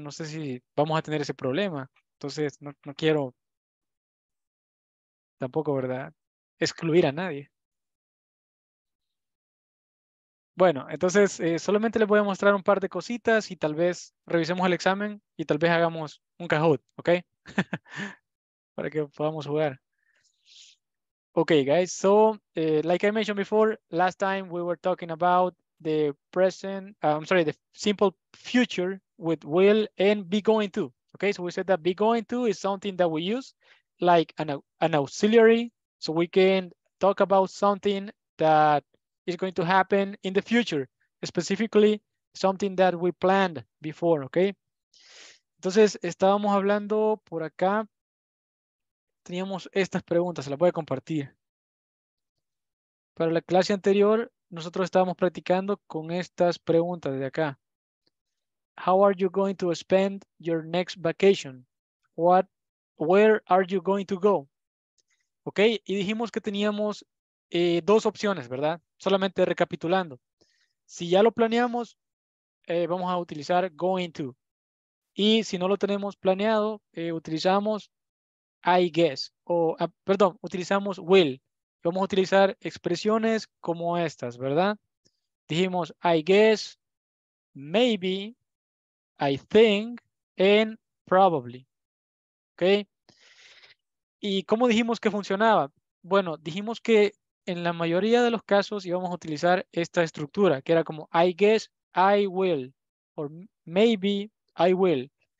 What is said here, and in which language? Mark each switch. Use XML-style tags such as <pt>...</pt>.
<es>No sé si vamos a tener ese problema. Entonces, no quiero tampoco, ¿verdad?, excluir a nadie. Bueno, entonces, solamente les voy a mostrar un par de cositas y tal vez revisemos el examen y tal vez hagamos un Kahoot, ¿ok? Para que podamos jugar.</es> <en>Ok, guys, so, like I mentioned before, last time we were talking about the present, the simple future with will and be going to. Okay, so we said that be going to is something that we use like an auxiliary, so we can talk about something that is going to happen in the future, specifically something that we planned before, okay?</en> <es>Entonces, estábamos hablando por acá. Teníamos estas preguntas, se las voy a compartir. Para la clase anterior, nosotros estábamos practicando con estas preguntas de acá.</es> <en>How are you going to spend your next vacation? Where are you going to go?</en> <es>Ok, y dijimos que teníamos dos opciones, ¿verdad? Solamente recapitulando. Si ya lo planeamos, vamos a utilizar going to. Y si no lo tenemos planeado, utilizamos I guess. Utilizamos will. Vamos a utilizar expresiones como estas, ¿verdad?</es> <en>Dijimos I guess, maybe, I think, and probably.</en> <es>¿Ok? ¿Y cómo dijimos que funcionaba? Bueno, dijimos que en la mayoría de los casos íbamos a utilizar esta estructura, que era como</es> <en>I guess, I will,</en> <es>or maybe, I will.</es>